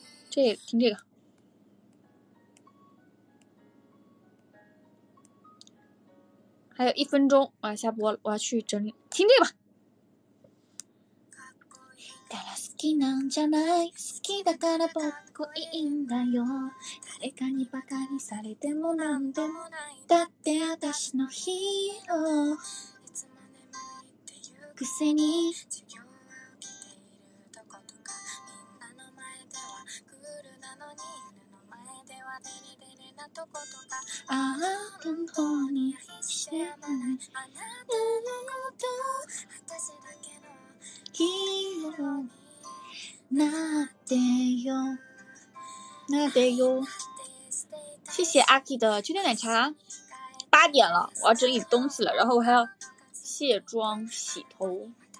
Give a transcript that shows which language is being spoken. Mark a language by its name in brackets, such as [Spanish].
[Chinese] 这听这个。还有1分钟，我要下播了，我要去整理。听这个吧。 [Japanese] だから好きなんじゃない好きだから僕いいんだよ誰かにバカにされてもなんでもないだって私のヒーローいつまで巻いてゆくせに授業を受けているとことかみんなの前ではクールなのに犬の前ではデレデレなとことかああ本当に愛してもないあなたのこと私だけのヒーローなってよなってよ。 [Chinese] 谢谢阿 K 的秋天奶茶。 8点了，我要整理东西了，然后我还要卸妆洗头。